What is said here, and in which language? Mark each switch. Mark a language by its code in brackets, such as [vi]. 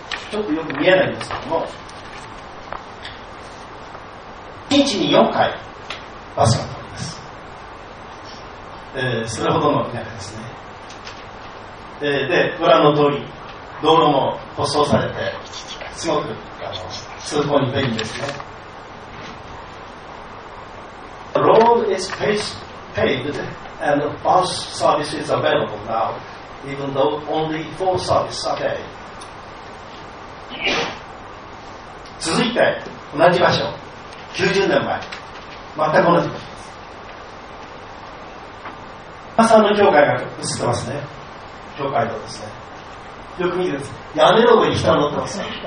[ja] ちょっとよく見えないんですけども、1日に4回バスが通ります。それほどの田舎ですね。でご覧の通り道路も舗装されてすごく通行に便利ですね。 [en] The road is paved and bus service is available now even though only four services are paid. [ja] 続いて同じ場所90年前全く同じ場所です。皆さんの教会が映ってますね。教会堂ですね。よく見るんです。屋根の上に人が乗ってますね。